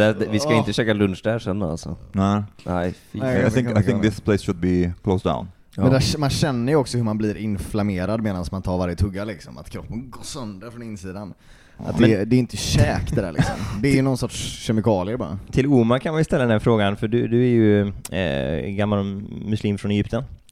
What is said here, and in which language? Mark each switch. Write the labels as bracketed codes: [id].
[sv] Vi ska inte käka lunch där sen alltså. Nej. [en] I think this place should be closed down. [sv] Men där, man känner ju också hur man blir inflammerad medan man tar varje tugga liksom. Att kroppen går sönder från insidan. Att det är inte käk det där liksom. Det är ju någon sorts kemikalier bara. Till Omar kan man ju ställa den här frågan. För du är ju gammal muslim från Egypten.